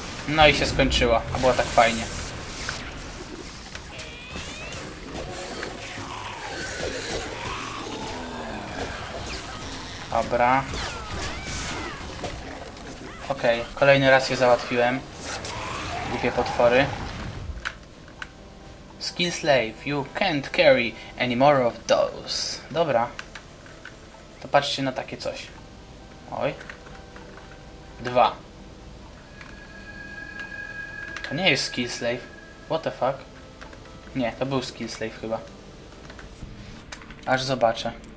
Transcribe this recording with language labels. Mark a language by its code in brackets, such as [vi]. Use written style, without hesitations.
[pl] No i się skończyła, a była tak fajnie. Dobra. Okej, okay, kolejny raz je załatwiłem. Głupie potwory. [en] Skin slave, you can't carry any more of those. [pl] Dobra. To patrzcie na takie coś. Oj. Dwa. To nie jest skin slave. [en] What the fuck? [pl] Nie, to był skin slave chyba. Aż zobaczę.